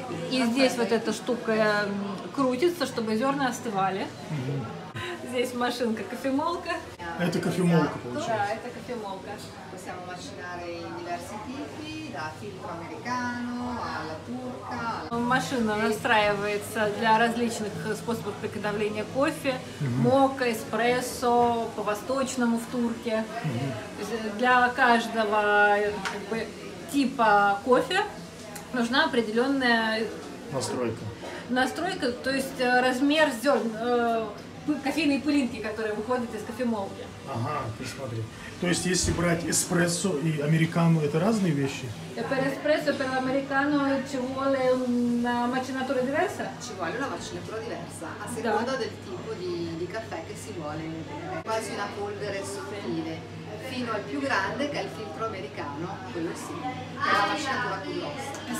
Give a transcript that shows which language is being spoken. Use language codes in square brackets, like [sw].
[ru] И здесь вот эта штука крутится, чтобы зерна остывали. Здесь машинка, кофемолка. Это кофемолка получается. Да, это кофемолка. [it] Possiamo macinare i diversi tipi, da filtro americano alla turca. [ru] Машина настраивается для различных способов приготовления кофе. Мокко, эспрессо, по-восточному в турке. Для каждого типа кофе нужна определенная настройка. Настройка, то есть размер зерн. Кофейные пылинки, которые выходят из кофемолки. Ага, ты смотри. То есть, если брать эспрессо и американо, это разные вещи? [it] Per эспрессо, per американо, ci vuole una macinatura diversa? Ci vuole una macinatura diversa, a seconda del tipo di caffè che si vuole. Quasi una polvere sottile, fino al più grande che è il filtro americano, quello sì. È la macinatura più grossa.